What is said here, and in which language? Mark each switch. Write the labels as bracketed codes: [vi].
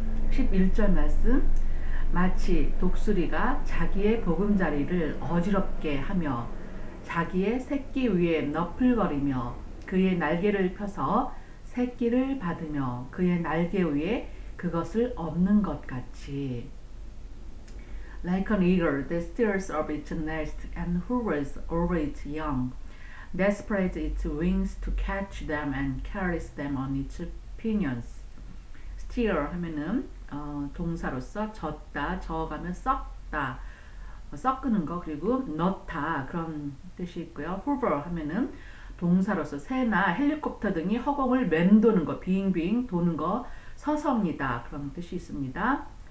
[ko] 11절 말씀. 마치 독수리가 자기의 보금자리를 어지럽게 하며 자기의 새끼 위에 너풀거리며 그의 날개를 펴서 새끼를 받으며 그의 날개 위에 그것을 얻는 것 같이. [en] Like an eagle that stirs up its nest and hovers over its young, desperate its wings to catch them and carries them on its pinions. [ko] Stir 하면은 동사로서 젓다, 저어가면 썩다, 썩는 거, 그리고 넣다 그런 뜻이 있고요. Hover 하면은 동사로서 새나 헬리콥터 등이 허공을 맴도는 거, 빙빙 도는 거, 서성이다 그런 뜻이 있습니다.